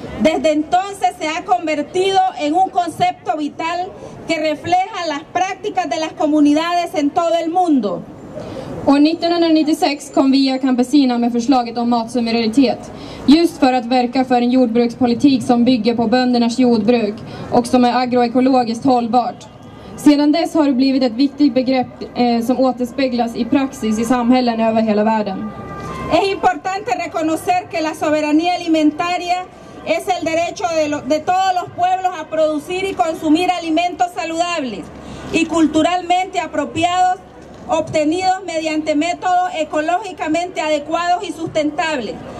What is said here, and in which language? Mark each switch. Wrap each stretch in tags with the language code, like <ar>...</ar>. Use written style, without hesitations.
<es>Desde entonces se ha convertido en un concepto vital que refleja las prácticas de las comunidades en todo el mundo.</es> <sv>År 1996 kom Via Campesina med förslaget om matsuveränitet, just för att verka för en jordbrukspolitik som bygger på böndernas jordbruk och som är agroekologiskt hållbart. Sedan dess har det blivit ett viktigt begrepp som återspeglas i praxis i samhällen över hela världen.</sv> <es>Es importante reconocer que la soberanía alimentaria es el derecho de todos los pueblos a producir y consumir alimentos saludables y culturalmente apropiados, obtenidos mediante métodos ecológicamente adecuados y sustentables.</es>